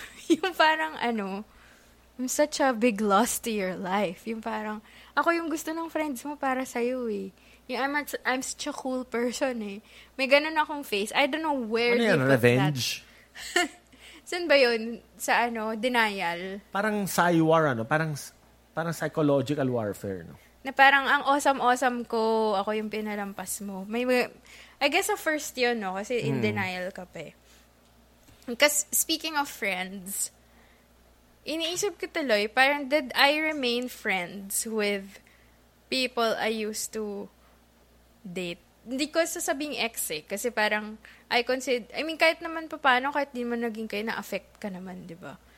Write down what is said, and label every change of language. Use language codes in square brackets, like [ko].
[tl] Yung parang ano, [en] I'm such a big loss to your life. [tl] Yung parang, ako yung gusto ng friends mo para sa'yo eh. [en] Yung I'm such a cool person eh. [tl] May ganun akong face. [en] I don't know where [tl] ano [en] they [tl] yan, [en] put revenge? [tl] That. San ba yun? Sa ano, denial? Parang sci-war ano? Parang psychological warfare no? Na parang ang awesome-awesome ko, ako yung pinalampas mo. [en] I guess a first [tl] yun, no? Kasi in denial ka pa eh. [en] Because speaking of friends, [tl] iniisip ko tuloy, parang [en] did I remain friends with people I used to date? [tl] Hindi ko sasabing ex eh, kasi parang [en] I consider, I mean, [tl] kahit naman papano, kahit di man naging kayo, na-affect ka naman, di ba?